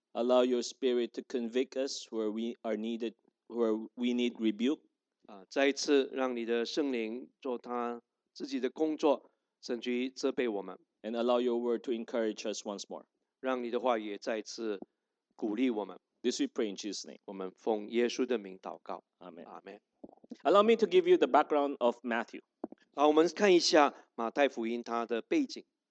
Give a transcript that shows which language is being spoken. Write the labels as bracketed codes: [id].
[en] Allow your spirit to convict us where we are needed, where we need rebuke. [zh] 再次让你的圣灵做他自己的工作，甚至于责备我们。 [en] And allow your word to encourage us once more. [zh] 让你的话也再次鼓励我们。 [en] This we pray in Jesus' name. [zh] 我们奉耶稣的名祷告。 [en] Amen. Amen. Allow me to give you the background of Matthew. [zh] 好，我们看一下马太福音它的背景。